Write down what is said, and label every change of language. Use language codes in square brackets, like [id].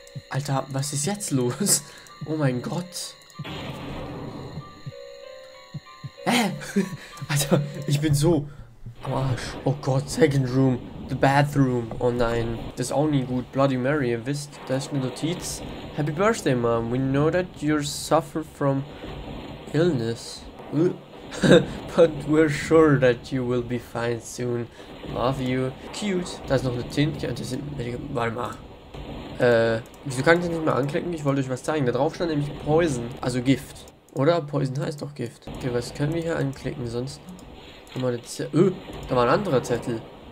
[de] Alter, was ist jetzt los? Oh mein Gott. Alter, ich bin so am Arsch. Oh Gott, [en] second room, the bathroom. [de] Oh nein, das ist auch nie gut. Bloody Mary, ihr wisst, da ist eine Notiz. [en] Happy birthday, Mom. We know that you suffer from illness. But we're sure that you will be fine soon. Love you. Cute. [de] Da ist noch eine Tinte und das sind. Warte mal. Wieso kann ich das nicht mehr anklicken? Ich wollte euch was zeigen. Da drauf stand nämlich Poison, also Gift. Oder? Poison heißt doch Gift. Okay, was können wir hier anklicken sonst? Da war ein anderer Zettel.